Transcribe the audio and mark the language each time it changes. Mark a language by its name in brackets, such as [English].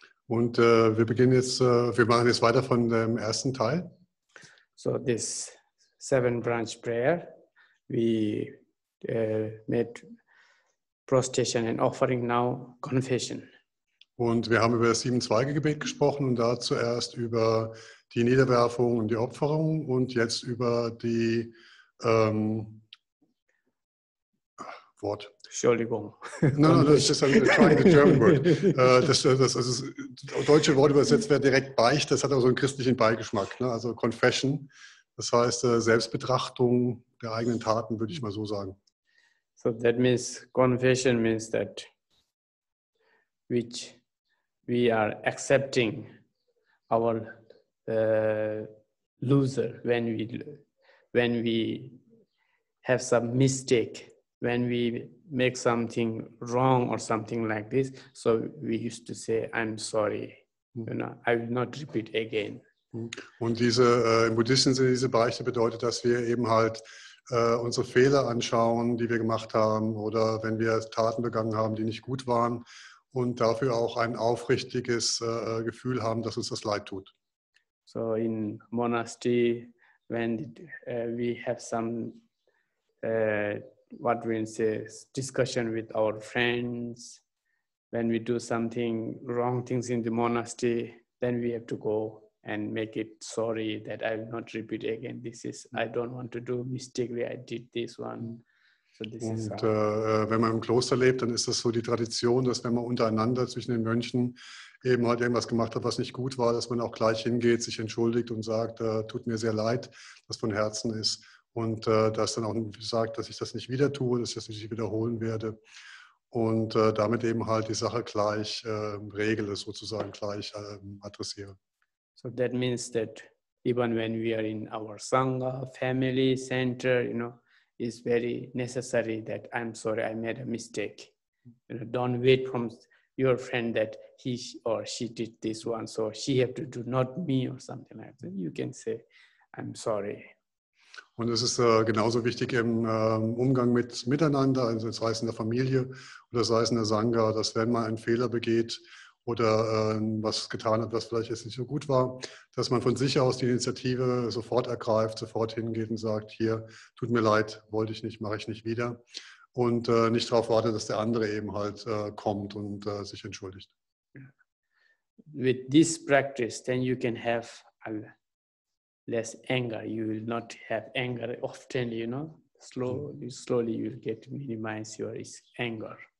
[German] Und wir beginnen jetzt, wir machen jetzt weiter von dem ersten Teil. [English] So this seven branch prayer, we made prostration and offering, now confession. [German] Und wir haben über das sieben Zweige-Gebet gesprochen und da zuerst über die Niederwerfung und die Opferung und jetzt über die Wort. Entschuldigung. No, das ist ein [English] German word. [German] Das deutsche Wort übersetzt wäre direkt Beicht, das hat auch so einen christlichen Beigeschmack. Ne? Also Confession, das heißt Selbstbetrachtung der eigenen Taten, würde ich mal so sagen. [English] So that means confession means that which we are accepting our loser when we have some mistake, when we make something wrong or something like this. So we used to say, I'm sorry, you know, I will not repeat again. [German] Und diese im Buddhismus diese Bereiche bedeutet, dass wir eben halt unsere Fehler anschauen, die wir gemacht haben, oder wenn wir Taten begangen haben, die nicht gut waren, und dafür auch ein aufrichtiges Gefühl haben, dass uns das leid tut. [English] So in Monastery, when we have some what we say discussion with our friends, when we do something wrong things in the monastery, then we have to go and make it sorry that I will not repeat again. This is, I don't want to do mistakenly, I did this one. So this [German] und is wenn man im Kloster lebt, dann ist das so die Tradition, dass wenn man untereinander zwischen den Mönchen eben halt irgendwas gemacht hat, was nicht gut war, dass man auch gleich hingeht, sich entschuldigt und sagt, tut mir sehr leid, das von Herzen ist. Und dass dann auch sagt, dass ich das nicht wieder tue, dass ich das nicht wiederholen werde. Und damit eben halt die Sache gleich regle, sozusagen gleich adressiere. [English] So that means that even when we are in our Sangha, family center, you know, it's very necessary that I'm sorry, I made a mistake. You know, don't wait from your friend that he or she did this one, so she have to do, not me or something like that. You can say, I'm sorry. [German] Und es ist genauso wichtig im Umgang mit miteinander, also sei es in der Familie oder sei es in der Sangha, dass wenn man einen Fehler begeht oder was getan hat, was vielleicht jetzt nicht so gut war, dass man von sich aus die Initiative sofort ergreift, sofort hingeht und sagt, hier, tut mir leid, wollte ich nicht, mache ich nicht wieder. Und nicht darauf wartet, dass der andere eben halt kommt und sich entschuldigt. [English] With this practice, then you can have all less anger, you will not have anger often, you know, slowly you will get minimize your anger.